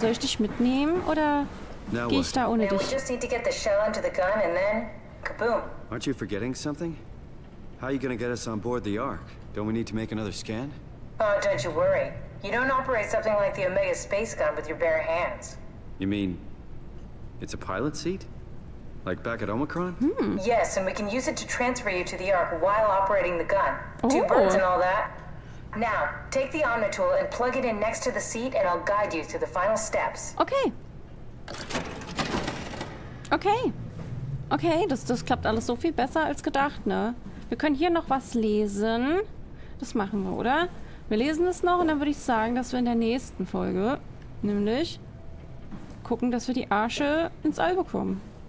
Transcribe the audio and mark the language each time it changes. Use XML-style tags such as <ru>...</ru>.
<de>Soll ich dich mitnehmen oder gehe ich da ohne dich?</de> <en>We just need to get the shell into the gun and then kaboom. Aren't you forgetting something? How are you gonna get us on board the Ark? Don't we need to make another scan? Oh, don't you worry. You don't operate something like the Omega Space Gun with your bare hands. You mean it's a pilot seat? Like back at Omicron? Hmm. Yes, and we can use it to transfer you to the Ark while operating the gun. Oh. Two birds and all that. Now, take the Omnitool and plug it in next to the seat and I'll guide you through the final steps. Okay. Okay.</en> <de>Okay, das klappt alles so viel besser als gedacht, ne? Wir können hier noch was lesen. Das machen wir, oder? Wir lesen es noch und dann würde ich sagen, dass wir in der nächsten Folge nämlich gucken, dass wir die Arche ins All bekommen.</de>